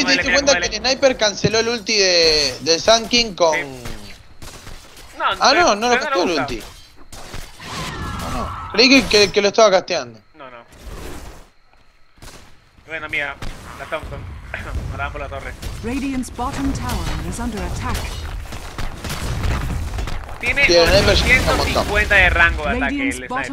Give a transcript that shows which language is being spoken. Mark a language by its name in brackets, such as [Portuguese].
[Spanish] Si te diste cuenta que el sniper canceló el ulti de Sun King con. No lo castó el ulti. Oh, no. Creí que lo estaba casteando. No. Bueno, mira, la Thompson. Ahora vamos por la torre. [English] Radiant's bottom tower is under attack. [Spanish] Tiene 150 de rango de ataque el sniper.